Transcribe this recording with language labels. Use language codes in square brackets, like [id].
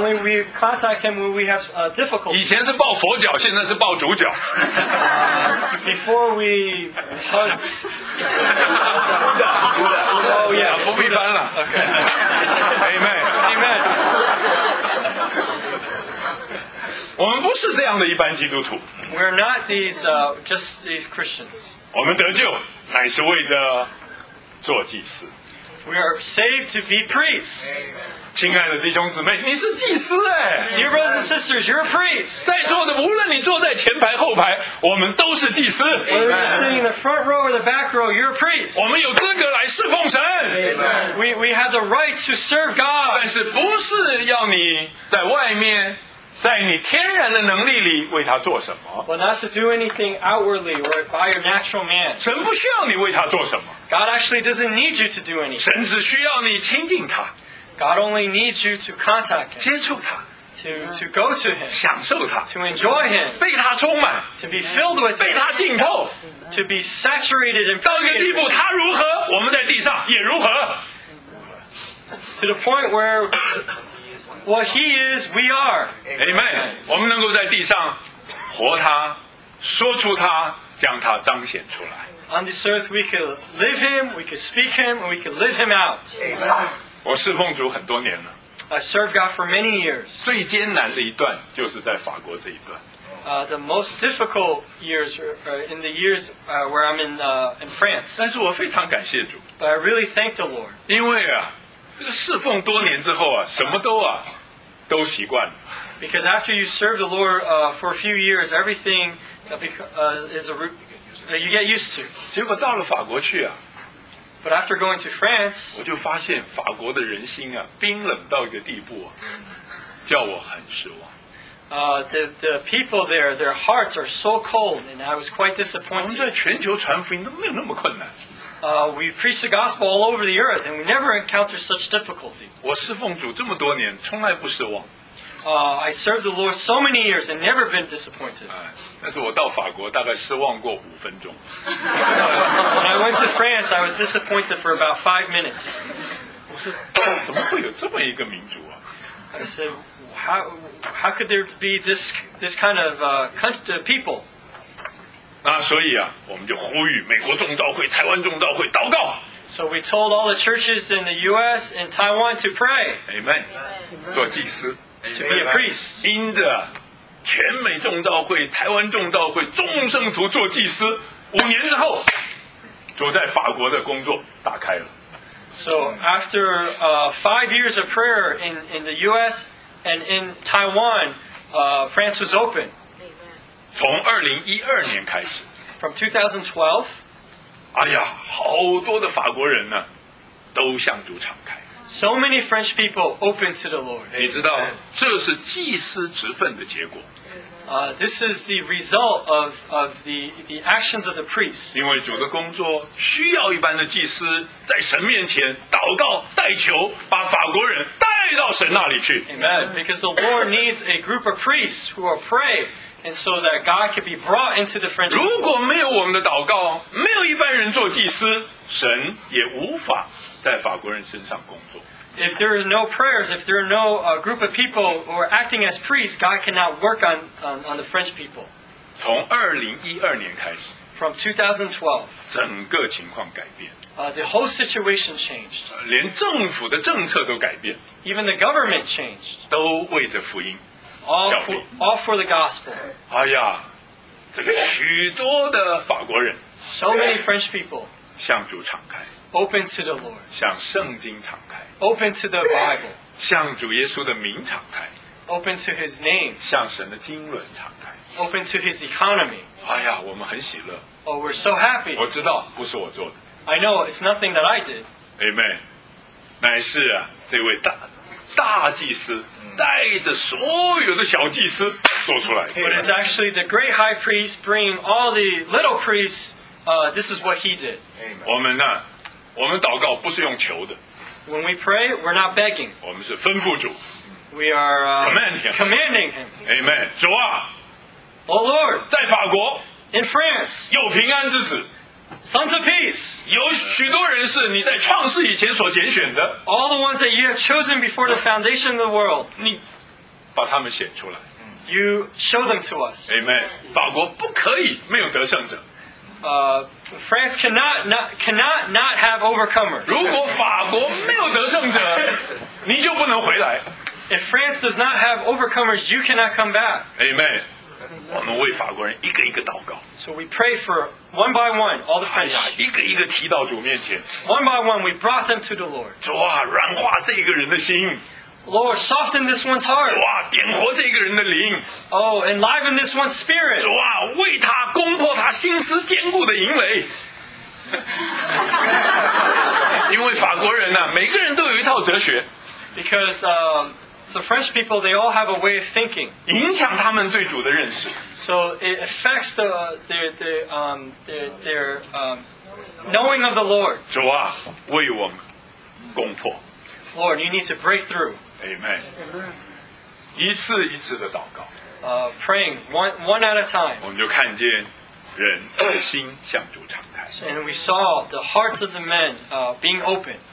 [en] Only we contact him when we have difficulty. [zh] 以前是抱佛脚，现在是抱主脚。 [en] Before we hunt. Buddha. Oh yeah, [zh] 不必搬了。 [en] Okay. Amen. Amen. [zh] 我们不是这样的一般基督徒。 [en] We're not these just these Christians. [zh] 我们得救乃是为着做祭司 [en] We are saved to be priests [zh] 亲爱的弟兄姊妹你是祭司 [en] Dear brothers and sisters, you're a priest [zh] 在座的无论你坐在前排后排我们都是祭司 [en] Whether you're sitting in the front row or the back row, you're a priest [zh] 我们有资格来侍奉神 [en] We have the right to serve God [zh] 但是不是要你在外面在你天然的能力里为他做什么 [en] ？Well, not to do anything outwardly or by your natural man. [zh] 神不需要你为他做什么。 [en] God actually doesn't need you to do anything. [zh] 神只需要你亲近他。 [en] God only needs you to contact him. [zh] 接触他。 [en] To go to him. [zh] 享受他。 [en] To enjoy him. [zh] 被他充满。 [en] To be filled with him. [zh] 被他浸透。 [en] To be saturated and filled. [zh] 到一个地步，他如何，我们在地上也如何。 [en] To the point where. What he is, we are. Amen. [zh] 我们能够在地上活他，说出他，将他彰显出来。 [en] On this earth, we could live him, we could speak him, and we could live him out. [zh] Amen. 我侍奉主很多年了。 [en] I served God for many years. [zh] 最艰难的一段就是在法国这一段。 [en] The most difficult years in the years where I'm in France. [zh] 但是我非常感谢主。 [en] But I really thank the Lord. [zh] 因为啊。这个侍奉多年之后啊，什么都啊，都习惯了。 [en] Because after you serve the Lord for a few years, everything is a you get used to. [zh] 结果到了法国去啊 [en] ，But after going to France, [zh] 我就发现法国的人心啊，冰冷到一个地步啊，叫我很失望。 [en] The people there, their hearts are so cold, and I was quite disappointed. [zh] 我们在全球传福音都没有那么困难。 [en] We preach the gospel all over the earth, and we never encounter such difficulty. [zh] 我侍奉主这么多年，从来不失望。 [en] I served the Lord so many years and never been disappointed. [zh] 但是我到法国大概失望过五分钟。 [en] When I went to France, I was disappointed for about 5 minutes. [zh] 我说，怎么会有这么一个民族啊 [en] ？I said, how could there be this kind of people? [zh] 那所以啊，我们就呼吁美国众道会、台湾众道会祷告。 [en] So we told all the churches in the U.S. and Taiwan to pray. [zh] Amen. 做祭司 [en] ，to be a priest. [zh] 因着全美众道会、台湾众道会众圣徒做祭司，五年之后，主在法国的工作打开了。 [en] So after five years of prayer in the U.S. and in Taiwan, France was open. [zh] 从2012年开始 [en] From 2012 [zh] 哎呀好多的法国人呢都向主敞开 [en] So many French people open to the Lord [zh] 你知道这是祭司职分的结果、 [en] This is the result of the actions of the priest [zh] 因为主的工作需要一般的祭司在神面前祷告代求把法国人带到神那里去 [en] Amen Because the Lord needs a group of priests who are praying And so that God could be brought into the friendship. [zh] 如果没有我们的祷告，没有一般。般人做祭司，神也无法在法国人身上工作。 [en] If there are no prayers, if there are no group of people who are acting as priests, God cannot work on the French people. [zh] 从2012年开始 [en] From 2012, [zh] 整个情况改变 [en] The whole situation changed. [zh] 连政府的政策都改变 [en] Even the government changed. [zh] 都为着福音 [en] All for the gospel. [zh] 哎呀，这个许多的法国人 [en] So many French people. [zh] 向主敞开 [en] Open to the Lord. [zh] 向圣经敞开 [en] Open to the Bible. [zh] 向主耶稣的名敞开。 [en] Open to His name. [zh] 向神的经纶敞开。 [en] Open to His economy. [zh] 哎呀，我们很喜乐。 [en] Oh, we're so happy. [zh] 我知道不是我做的。 [en] I know it's nothing that I did. Amen. [zh] 乃是啊，这位大祭司带着所有的小祭司做出来。 [en] But it's actually the great high priest bringing all the little priests. This is what he did. Amen. [zh] 我们呢，我们祷告不是用求的。 [en] When we pray, we're not begging. We are commanding him. [zh] Amen. 主啊, [en] oh Lord, [zh] 在法国, [en] in France, [zh] 有平安之子, [en] sons of peace, [zh] 有许多人是你在创世以前所拣选的, [en] all the ones that you have chosen before the foundation of the world, [zh] 你把他们显出来, [en] you show them to us. Amen. [zh] 法国不可以没有得胜者。 [en] France cannot have overcomers. [zh] 如果法国没有得胜者，你就不能回来。 [en] If France does not have overcomers, you cannot come back. Amen. [zh] 我们为法国人一个一个祷告。 [en] So we pray for one by one all the French. [zh] 哎呀，一个一个提到主面前。 [en] One by one, we brought them to the Lord. [zh] 主啊，软化这个人的心。 [en] Lord, soften this one's heart. [zh] 主啊，点活这个人的灵。 [en] Oh, enliven this one's spirit. [zh] 主啊，为他攻破他心思坚固的营垒。因为法国人呢、啊，每个人都有一套哲学。 [en] Because the French people, they all have a way of thinking. [zh] 影响他们对主的认识。 [en] So it affects their knowing of the Lord. [zh] 主啊，为我们攻破。 [en] Lord, you need to break through. [zh] Amen. 一次一次的祷告。 [en] Praying one at a time. [zh] 我们就看见人的心向主敞开。 [en] And we saw the hearts of the men being open.